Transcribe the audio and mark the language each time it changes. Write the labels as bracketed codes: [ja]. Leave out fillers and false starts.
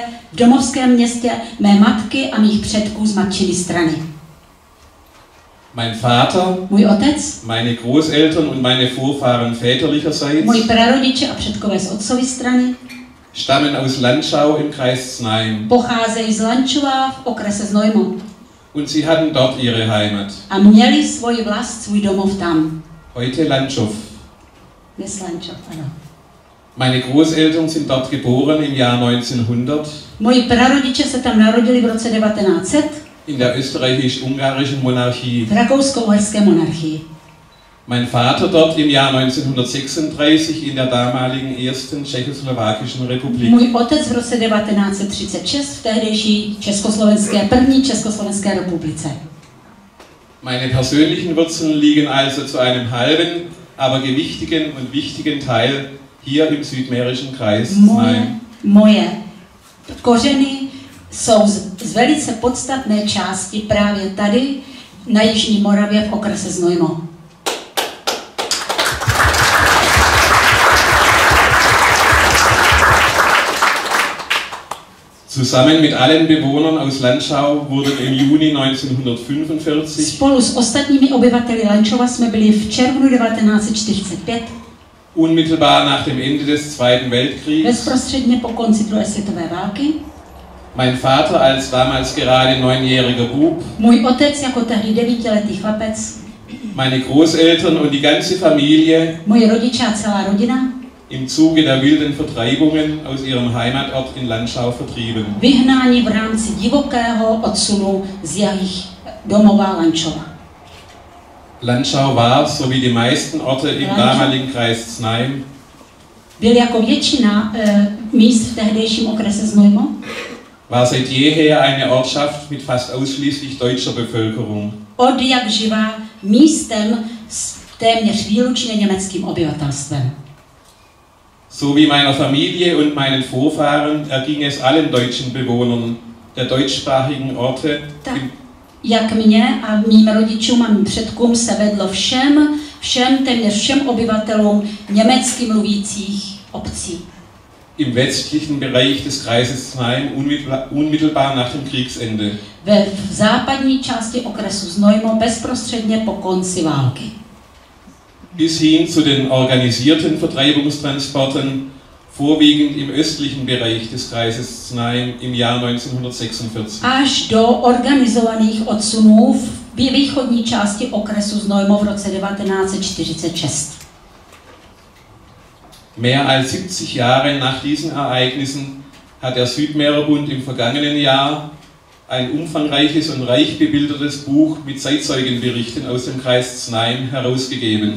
[cs] V domovském městě mé matky a mých předků z matčiny strany. [de] Mein Vater, [cs] můj otec, [de] meine Großeltern und meine Vorfahren väterlicherseits. [cs] Moji prarodiče a předkové z otcovy strany. [de] Stammen aus Landschau im Kreis Znaim. [cs] Pocházejí z Lančova v okrese Znojmo. [de] Und sie hatten dort ihre Heimat. [cs] A měli svoji vlast, svůj domov tam. [de] Heute Landschof. [cs] Dnes Landschof, ano. [de] Meine Großeltern sind dort geboren im Jahr 1900. [cs] Moji prarodiče se tam narodili v roce 1900. [de] In der österreichisch-ungarischen Monarchie. [cs] V rakousko-uherské monarchii. [de] Mein Vater dort im Jahr 1936 in der damaligen ersten tschechoslowakischen Republik. [cs] Můj otec v roce 1936 v tehdejší československé první československé republice. [de] Meine persönlichen Wurzeln liegen also zu einem halben, aber gewichtigen und wichtigen Teil hier im südmährischen Kreis. [cs] Moje kořeny jsou z velice podstatné části právě tady na jižní Moravě v okrese Znojmo. [de] Zusammen mit allen Bewohnern aus Landschau wurde im Juni 1945 [cs] spolu s ostatními obyvateli Landschova jsme byli v červnu 1945 [de] unmittelbar nach dem Ende des Zweiten Weltkriegs [cs] bezprostředně po konci druhé světové války [de] mein Vater als damals gerade neunjähriger Bub [cs] můj otec jako tehdy devítiletý chlapec [de] meine Großeltern und die ganze Familie [cs] moje rodiče a celá rodina [de] im Zuge der wilden Vertreibungen aus ihrem Heimatort in Landschau vertrieben. [cs] Vyhnání v rámci divokého odsunu z jejich domova Landschova. [de] Landschau war, so wie die meisten Orte im damaligen Kreis Znaim, [cs] byl jako většina míst v tehdejším okrese Znojmo, [de] war seit jeher eine Ortschaft mit fast ausschließlich deutscher Bevölkerung. [cs] Od jak živa místem s téměř výlučně německým obyvatelstvem. [de] So wie meiner Familie und meinen Vorfahren erging es allen deutschen Bewohnern der deutschsprachigen Orte. [cs] Tak, jak mě a mým rodičům a mým předkům se vedlo téměř všem obyvatelům německy mluvících obcí. [de] Im westlichen Bereich des Kreises Znaim unmittelbar nach dem Kriegsende. [cs] Ve západní části okresu Znojmo bezprostředně po konci války. [de] Bis hin zu den organisierten Vertreibungstransporten vorwiegend im östlichen Bereich des Kreises Znaim im Jahr 1946. [cs] Až do organizovaných odsunů v východní části okresu Znojmo v roce 1946. [de] Mehr als 70 Jahre nach diesen Ereignissen hat der Südmeerbund im vergangenen Jahr ein umfangreiches und reich bebildertes Buch mit Zeitzeugenberichten aus dem Kreis Znaim herausgegeben.